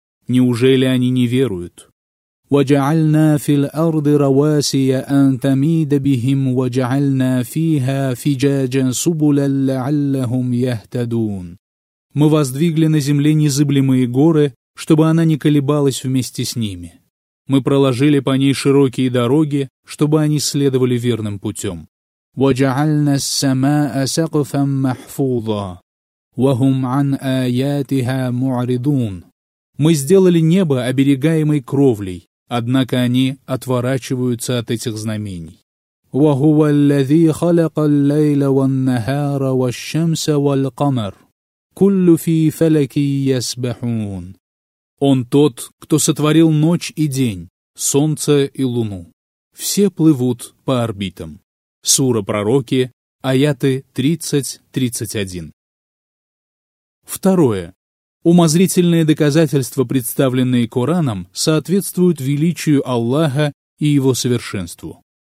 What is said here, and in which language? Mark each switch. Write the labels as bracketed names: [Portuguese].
[Russian] Неужели они не веруют? [Arabic] وَجَعَلْنَا فِي الْأَرْضِ رَوَاسِيَ أَن تَمِيدَ بِهِمْ وَجَعَلْنَا فِيهَا فِجَاجًا سُبُلًا لَعَلَّهُمْ يَهْتَدُونَ. [Russian] Мы воздвигли на земле незыблемые горы, чтобы она не колебалась вместе с ними. Мы проложили по ней широкие дороги, чтобы они следовали верным путем. [Arabic] وجعلنا السماء سقفا محفوظا وهم عن آياتها معرضون. [Russian] Мы сделали небо оберегаемой кровлей, однако они отворачиваются от этих знамений. [Arabic] وهو الذي خلق الليل والنهار والشمس والقمر كل في فلك يسبحون. [Russian] Он тот, кто сотворил ночь и день, солнце и луну. Все плывут по орбитам. Сура Пророки, аяты 30-31. Второе. Умозрительные доказательства, представленные Кораном, соответствуют величию Аллаха и его совершенству.